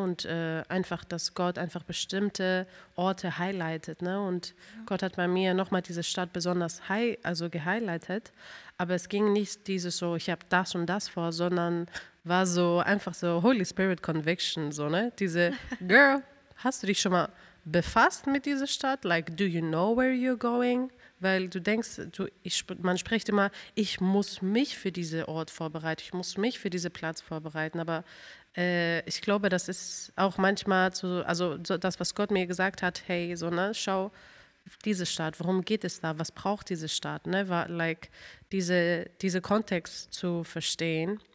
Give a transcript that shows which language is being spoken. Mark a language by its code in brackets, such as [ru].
[de] Und einfach, dass Gott einfach bestimmte Orte highlightet, ne? Und ja. Gott hat bei mir nochmal diese Stadt besonders gehighlightet, aber es ging nicht dieses so, ich habe das und das vor, sondern war so einfach so [en] Holy Spirit Conviction, [de] so, ne? Diese, Girl, hast du dich schon mal befasst mit dieser Stadt? [en] Like, do you know where you're going? [de] Weil du denkst, man spricht immer, ich muss mich für diesen Ort vorbereiten, ich muss mich für diesen Platz vorbereiten. Aber ich glaube, das ist auch manchmal so, also so das, was Gott mir gesagt hat, hey, so, ne, schau diese Stadt, worum geht es da, was braucht diese Stadt, ne, like, diese Kontext zu verstehen.